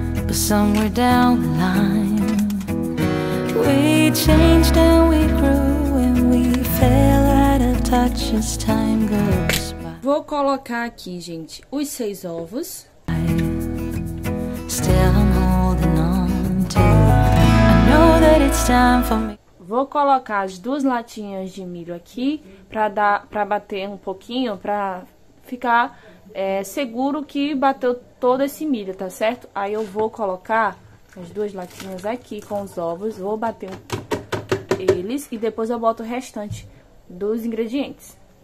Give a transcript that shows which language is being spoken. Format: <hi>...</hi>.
<en>Somewhere down the line, we changed and we grew and we fell out of touch as time goes by.</en> <pt>Vou colocar aqui, gente, os 6 ovos.</pt> <en>Still I'm holding on to. I know that it's time for me.</en> <pt>Vou colocar as 2 latinhas de milho aqui pra bater um pouquinho, pra ficar seguro que bateu todo esse milho, tá certo? Aí eu vou colocar as 2 latinhas aqui com os ovos, vou bater eles e depois eu boto o restante dos ingredientes.</pt>